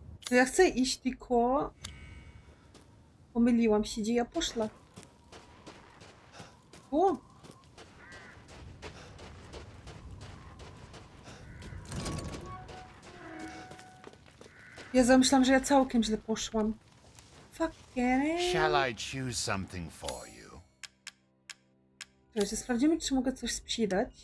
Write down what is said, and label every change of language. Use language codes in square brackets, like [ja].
[pl] Ja chcę iść, tylko pomyliłam się, gdzie ja poszła. O! Ja zamyślam, że ja całkiem źle poszłam. [en] Fucking. Shall I choose something for you? [pl] Cześć, sprawdzimy, czy mogę coś sprzedać.